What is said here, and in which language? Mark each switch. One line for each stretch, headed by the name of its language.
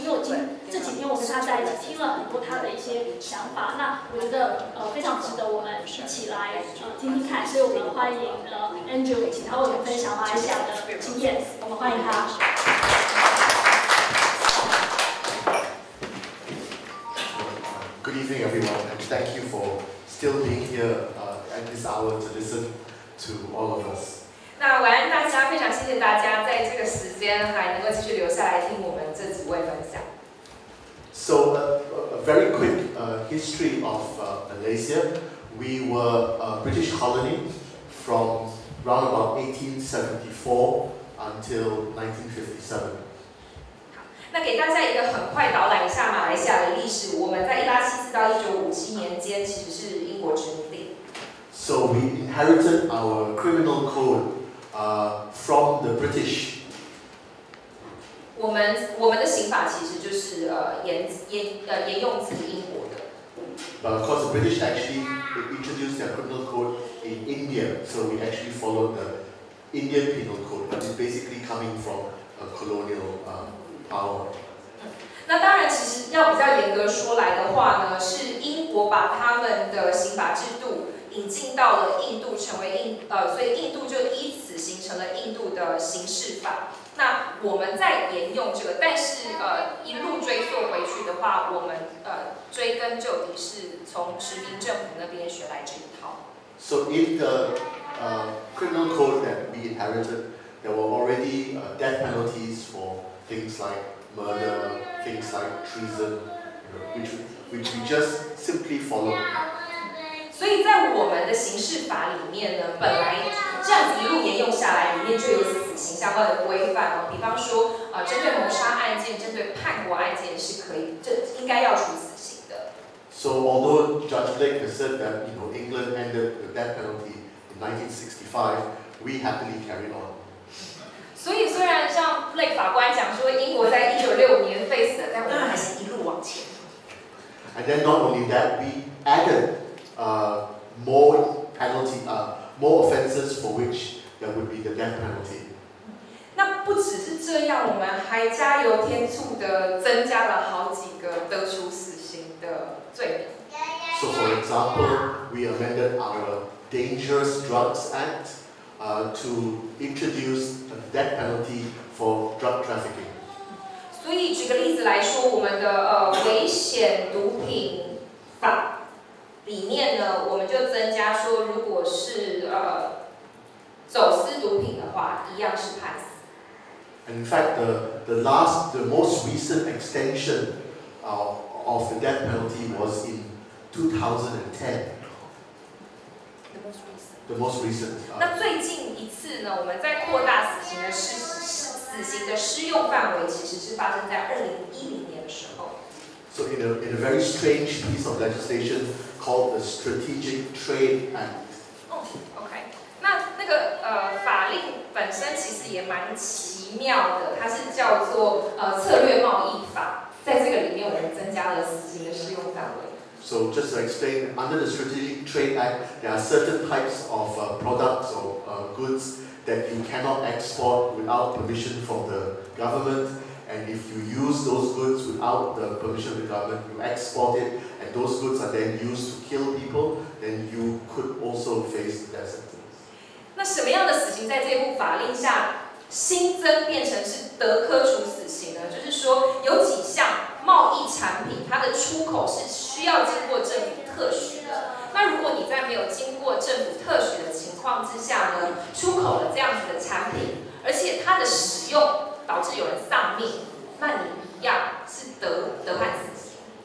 Chinese: 因为我今这几天我跟他在一起听了很多他的一些想法，那我觉得非常值得我们一起来听听看。所以我们欢迎Andrew 请他为我们分享马来西亚的经验，我们欢迎他。
English: Good evening, everyone, and thank you for still being here at this hour to listen to all of us.
Chinese: 那晚安大家，非常谢谢大家在这个时间还能够继续留下来听我们这几位分享。
English: So, a very quick. history of Malaysia, we were a British colony from round about 1874 until 1957.
Chinese: 那给大家一个很快导览一下马来西亚的历史。我们在1874到1957年间，其实是英国殖民地。
English: So we inherited our criminal code, from the British.
Chinese: 我们的刑法其实就是沿用自英国的。
English: But of course, the British actually introduced their criminal code in India, so we actually followed the Indian penal code, which is basically coming from a colonial.
Chinese: 那当然，其实要比较严格说来的话呢，是英国把他们的刑法制度引进到了印度，成为所以印度就依此形成了印度的刑事法。那我们在沿用这个，但是一路追溯回去的话，我们追根究底是从殖民政府那边学来这一套。
English: So in the criminal code that we inherited, there were already death penalties for. Things like murder, things like treason, you know, which we just simply follow.
Chinese: 所以在我们的刑事法里面呢，本来这样子一路沿用下来，里面就有死刑相关的规范哦。比方说，针对谋杀案件、针对叛国案件是可以，这应该要处死刑的。
English: So although Judge Blake has said that you know England ended the death penalty in 1965, we happily carried on.
Chinese: 所以虽然像 Blake 法官讲说英国在1965年废死了，但我们还是一路往前。
English: And then not only that, we added more penalty, more offences for which there would be the death penalty.
Chinese: 那不只是这样，我们还加油添醋的增加了好几个得处死刑的罪名。
English: So for example, we amended our Dangerous Drugs Act. To introduce a death penalty for drug trafficking.
Chinese: 所以举个例子来说，我们的危险毒品法里面呢，我们就增加说，如果是走私毒品的话，一样是判死。
English: In fact, the most recent extension of the death penalty was in 2010. The most recent,
Chinese: 那最近一次呢？我们在扩大死刑的适用范围，其实是发生在2010年的时候。
English: So in a very strange piece of legislation called the Strategic Trade Act. Okay.
Chinese: 那个法令本身其实也蛮奇妙的，它是叫做策略贸易法。在这个里面，我们增加了死刑的适用范围。
English: So just to explain, under the Strategic Trade Act, there are certain types of products or goods that you cannot export without permission from the government. And if you use those goods without the permission of the government, you export it, and those goods are then used to kill people, then you could also face the death sentence.
Chinese: 那什么样的死刑在这部法令下新增变成是德科处死刑呢？就是说有几项。贸易产品它的出口是需要经过政府特许的。那如果你在没有经过政府特许的情况之下呢，出口了这样子的产品，而且它的使用导致有人丧命，那你一样是得判死刑。